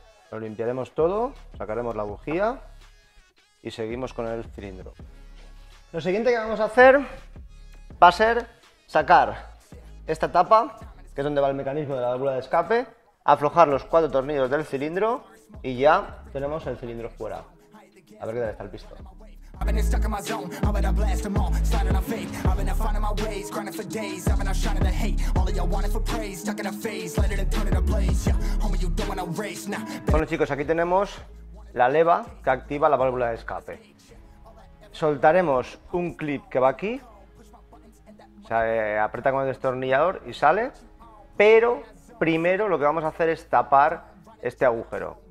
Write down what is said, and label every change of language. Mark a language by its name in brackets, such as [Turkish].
[Spanish] Lo limpiaremos todo, sacaremos la bujía y seguimos con el cilindro. Lo siguiente que vamos a hacer va a ser sacar esta tapa, que es donde va el mecanismo de la válvula de escape, aflojar los cuatro tornillos del cilindro y ya tenemos el cilindro fuera. A ver qué tal está el pistón. [English] I've been stuck in my zone, I'm gonna blast them all, sliding on faith. I've been finding my ways, grinding for days. I've been outshining the hate, all of y'all wanted for praise. Stuck in a phase, let it turn it a blaze. Yeah, homie, you don't wanna race now. [Spanish] Bueno, chicos, aquí tenemos la leva que activa la válvula de escape. Soltaremos un clip que va aquí. O sea, aprieta con el destornillador y sale. Pero primero lo que vamos a hacer es tapar este agujero.